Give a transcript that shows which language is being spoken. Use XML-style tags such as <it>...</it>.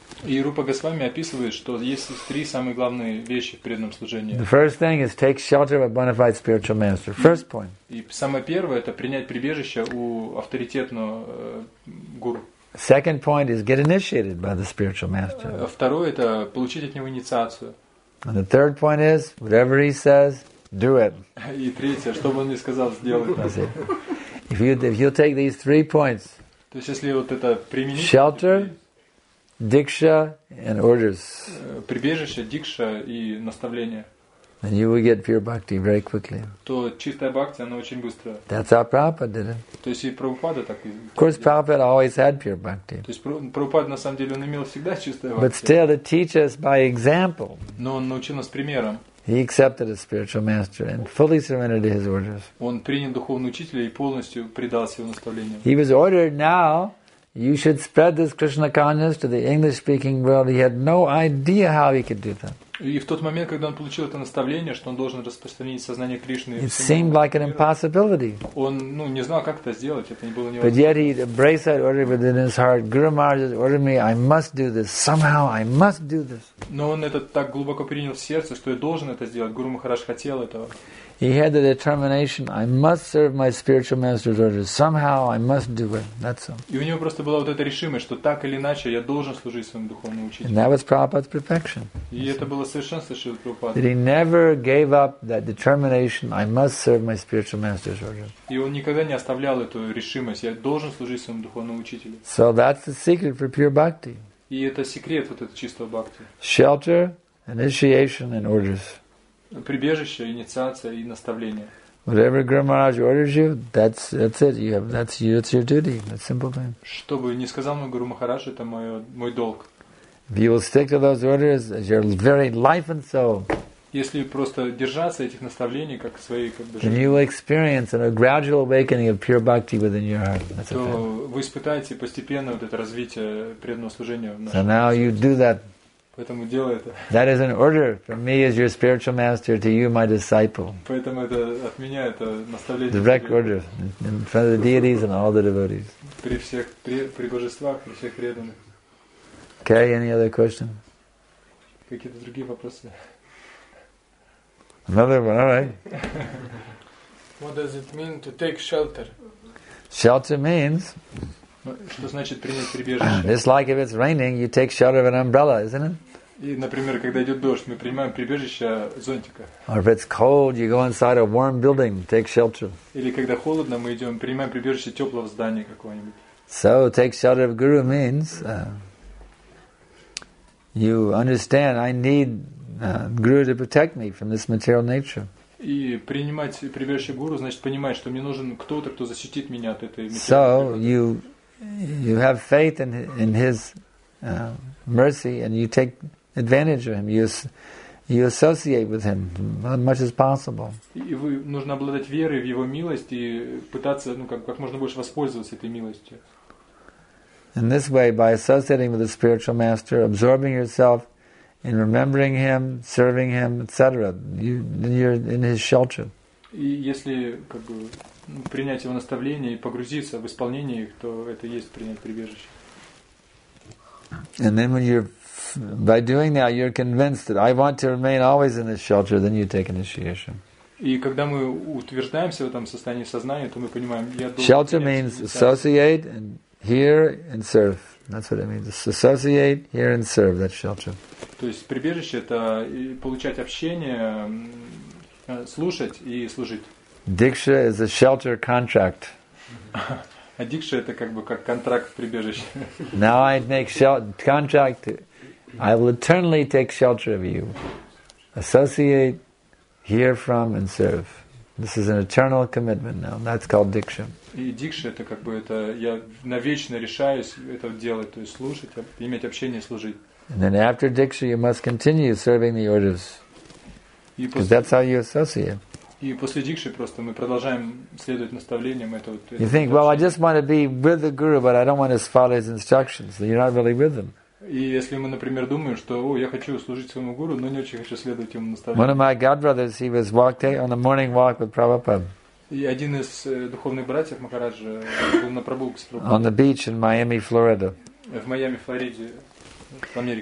<ru>И Рупа Госвами описывает, что есть три самые главные вещи в преданном служении.</ru> <en>The first thing is take shelter of a bona fide spiritual master. First point.</en> <ru>И самое первое – это принять прибежище у авторитетного гуру.</ru> <en>Second point is get initiated by the spiritual master.</en> <ru>Второе – это получить от него инициацию.</ru> <en>And the third point is, whatever he says, do it.</en> <ru>И третье – что бы он ни сказал, сделай это.</ru> <en>If you take these three points,</en> <ru>то есть если вот это применить,</ru> <en>shelter, diksha, and orders,</en> <ru>прибежище, дикша и наставление,</ru> <en>then you will get pure bhakti very quickly.</en> <ru>То чистая бхакти, она очень быстро.</ru> <en>That's how Prabhupada did it.</en> <ru>То есть и Прабхупада так.</ru> <en>Of course, Prabhupada always had pure bhakti.</en> <ru>То есть Прабхупада на самом деле он имел всегда чистое бхакти.</ru> <en>But still, to teach us by example.</en> <ru>Но он научил нас примером.</ru> <en>He accepted a spiritual master and fully surrendered to his orders. Он принял духовного учителя и полностью предался его наставлениям. He was ordered now. You should spread this Krishna consciousness to the English-speaking world. He had no idea how he could do that.</en> <ru>И в тот момент, когда он получил это наставление, что он должен распространить сознание Кришны,</ru> <en>it seemed like an impossibility.</en> <ru>Он, ну, не знал, как это сделать. Это не было невозможно.</ru> <en>But yet he embraced that order within his heart. Guru Maharaj has ordered me. I must do this. Somehow I must do this.</en> <ru>Но он это так глубоко принял в сердце, что я должен это сделать. Гуру Махарадж хотел этого.</ru> <en>He had the determination, I must serve my spiritual master's orders. Somehow I must do it. That's all.</en> <ru>И у него просто была вот эта решимость, что так или иначе я должен служить своему духовному учителю.</ru> <en>And that was Prabhupada's perfection.</en> <ru>И это было совершенство Шрилы Прабхупады.</ru> <en>That he never gave up that determination, I must serve my spiritual master's orders.</en> <ru>И он никогда не оставлял эту решимость, я должен служить своему духовному учителю.</ru> <en>So that's the secret for pure bhakti.</en> <ru>И это секрет вот этого чистого бхакти.</ru> <en>Shelter, initiation and orders.</en> <ru>Прибежище, инициация и наставление.</ru> <en>Whatever Guru Maharaj orders you, that's it. You have that's your duty. That's simple thing.</en> <ru>Что бы ни сказал мой Гуру Махарадж, это мой долг.</ru> <en>If you will stick to those orders, as your very life and soul.</en> <ru>Если просто держаться этих наставлений как своей как бы жизни.</ru> <en>You will experience a gradual awakening of pure bhakti within your heart.</en> <ru>То вы испытаете постепенно вот это развитие преданного служения в нашем.</ru> <en>So now you do that.</en> <ru>Поэтому делай это.</ru> <en>That is an order from me as your spiritual master to you, my disciple.</en> <ru>Поэтому это от меня это наставление.</ru> <en>Direct order in front of the deities and all the devotees.</en> <ru>При всех при божествах, при всех преданных.</ru> <en>Okay, any other question?</en> <ru>Какие-то другие вопросы?</ru> <en>Another one, all right. What does it mean to take shelter? Shelter means.</en> <ru>Что значит принять прибежище?</ru> <en>It's like if it's raining, you take shelter of an umbrella, isn't it?</en> <ru>И, например, когда идет дождь, мы принимаем прибежище зонтика.</ru> <en>Or if it's cold, you go inside a warm building, take shelter.</en> <ru>Или когда холодно, мы идем, принимаем прибежище теплого здания какого-нибудь.</ru> <en>So take shelter of guru means you understand. I need. Guru to protect me from this material nature.</en> <ru>И принимать прибежище гуру значит понимать, что мне нужен кто-то, кто защитит меня от этой.</ru> <en>So you have faith in his mercy and you take advantage of him. You associate with him as much as possible.</en> <ru>И вы нужно обладать верой в его милость и пытаться ну как можно больше воспользоваться этой милостью.</ru> <en>In this way, by associating with the spiritual master, absorbing yourself. In remembering him, serving him, etc., you're in his shelter.</en> <ru>И если как бы принять его наставления и погрузиться в исполнение их, то это есть принять прибежище.</ru> <en>And then when you're by doing that, you're convinced that I want to remain always in this shelter, then you take initiation.</en> <ru>И когда мы утверждаемся в этом состоянии сознания, то мы понимаем, я должен.</ru> <en>Shelter means associate and hear and serve. That's what it means. Associate, hear, and serve. That shelter.</en> <ru>То есть прибежище это получать общение, слушать и служить.</ru> <en>Diksha is a shelter contract.</en> <ru>А дикша это как бы как контракт в прибежище.</ru> <en>Now I make shelter contract. I will eternally take shelter of you. Associate, hear from, and serve. This is an eternal commitment now. That's called diksha.</en> <ru>И дикша это как бы это я навечно решаюсь это делать, то есть слушать, иметь общение, служить.</ru> <en>And then after diksha, you must continue serving the orders, because that's how you associate.</en> <ru>И после дикши просто мы продолжаем следовать наставлениям этого.</ru> <en>You think, well, I just want to be with the guru, but I don't want to follow his instructions. So you're not really with him.</en> <ru>И если мы, например, думаем, что, о, я хочу служить своему гуру, но не очень хочу следовать ему наставлениям.</ru> <en>One of my godbrothers, he was walking on a morning walk with Prabhupada.</en> <ru>И один из духовных братьев Махараджа был на прогулке с</ru> <en>Прабхупадой. On the beach in Miami, Florida.</en> <ru>В Майами, Флориде, в Америке.</ru>